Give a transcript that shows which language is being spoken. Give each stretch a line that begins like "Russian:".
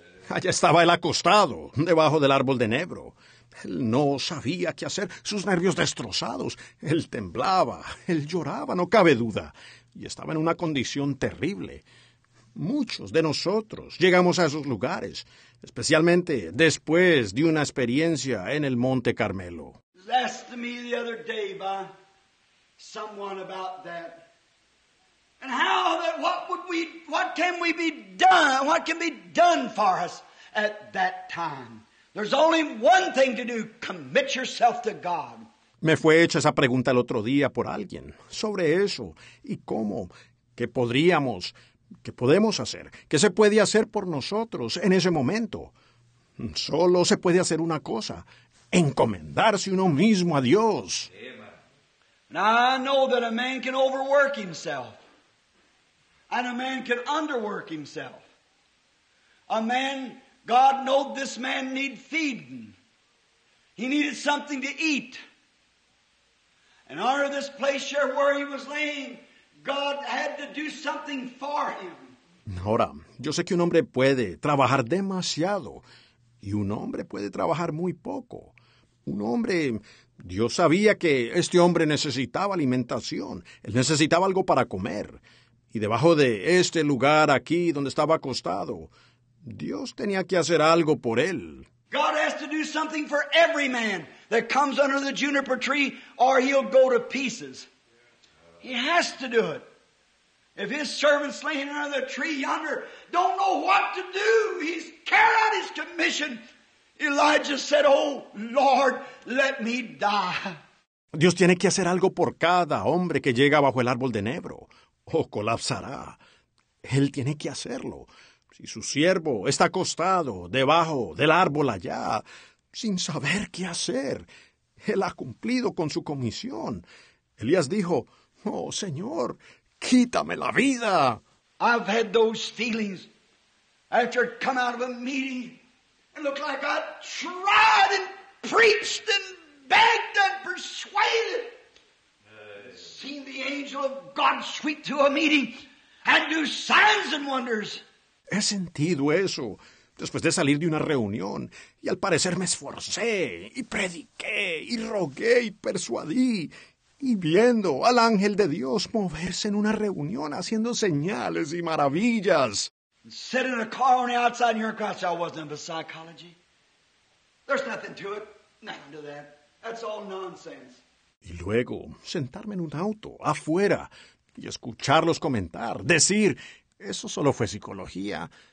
Spanish: Allá estaba él acostado, debajo del árbol de enebro. Él no sabía qué hacer, sus nervios destrozados. Él temblaba, él lloraba, no cabe duda. Y estaba en una condición terrible. Muchos de nosotros llegamos a esos lugares, especialmente después de una experiencia en el Monte Carmelo.
English: Asked me the other day by someone about that, and how that what can be done for us at that time? There's only one thing to do: commit yourself to God.
Spanish: Me fue hecha esa pregunta el otro día por alguien sobre eso y cómo que podríamos, que podemos hacer, que se puede hacer por nosotros en ese momento. Solo se puede hacer una cosa. Encomendarse uno mismo a Dios.
English: Now I know that a man can overwork himself, and a man can underwork himself. A man, God know this man need feeding. He needed something to eat. And out of this place here where he was laying, God had to do something for him.
Spanish: Ahora, yo sé que un hombre puede trabajar demasiado, y un hombre puede trabajar muy poco. Un hombre, Dios sabía que este hombre necesitaba alimentación. Él necesitaba algo para comer. Y debajo de este lugar aquí donde estaba acostado, Dios tenía que hacer algo por él.
English: God has to do something for every man that comes under the juniper tree, or he'll go to pieces. He has to do it. If his servant's laying under the tree yonder, don't know what to do. He's carried out his commission. Elijah said, oh, Lord, let me die.
Spanish: Dios tiene que hacer algo por cada hombre que llega bajo el árbol de enebro, o colapsará. Él tiene que hacerlo. Si su siervo está acostado debajo del árbol allá, sin saber qué hacer, él ha cumplido con su comisión. Elías dijo, oh, Señor, quítame la vida.
English: I've had those feelings after come out of a meeting. It looked like I tried and preached and begged and persuaded. Seen the angel of God sweep to a meeting and do signs and wonders.
Spanish: He sentido eso después de salir de una reunión. Y al parecer me esforcé y prediqué y rogué y persuadí. Y viendo al ángel de Dios moverse en una reunión haciendo señales y maravillas.
English: Sit in a car on the outside and you're crying, I wasn't in psychology. There's nothing to it. Nothing to that. That's all nonsense.
Spanish: Y luego, sentarme en un auto, afuera, y escucharlos comentar, decir, eso solo fue psicología.